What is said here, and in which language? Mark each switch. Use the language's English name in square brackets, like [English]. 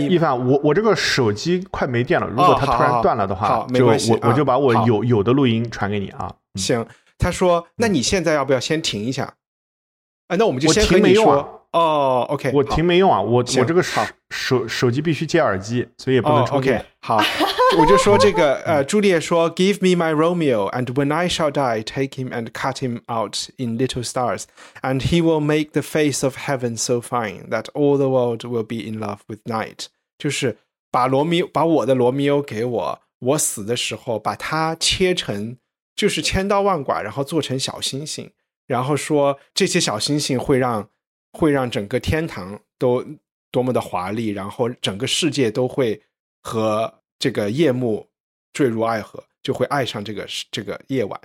[Chinese] 一凡，我这个手机快没电了，如果它突然断了的话，没关系，我就把我有的录音传给你啊。行，他说那你现在要不要先停一下啊，那我们就先和你说。啊、哦 ，OK，我停没用啊，我这个手机必须接耳机，所以也不能充电。哦、OK， 好，我就说这个朱丽叶说 [English] ，Give me my Romeo， and when I shall die, take him and cut him out in little stars, and he will make the face of heaven so fine that all the world will be in love with night。 [Chinese] 就是把我的罗密欧给我，我死的时候把它切成，就是千刀万剐，然后做成小星星。然后说这些小星星会让整个天堂都多么的华丽，然后整个世界都会和这个夜幕坠入爱河，就会爱上这个夜晚。